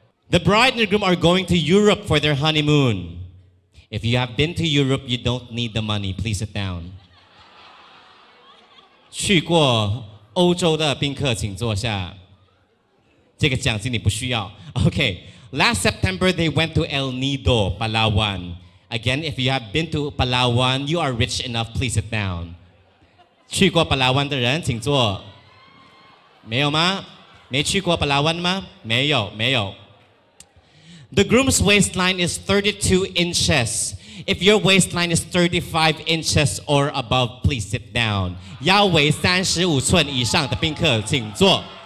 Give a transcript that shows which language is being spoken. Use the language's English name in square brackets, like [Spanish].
[English] The bride and the groom are going to Europe for their honeymoon. If you have been to Europe, you don't need the money. Please sit down. [Chinese] 去过欧洲的宾客请坐下. 这个奖金你不需要. [English] Okay. Last September, they went to El Nido, Palawan. Again, if you have been to Palawan, you are rich enough, please sit down. [Chinese] 去过Palawan的人,请坐.没有吗? 没去过Palawan吗?没有, 没有. [English] The groom's waistline is 32 inches. If your waistline is 35 inches or above, please sit down. [Chinese] 腰围35寸以上的宾客请坐。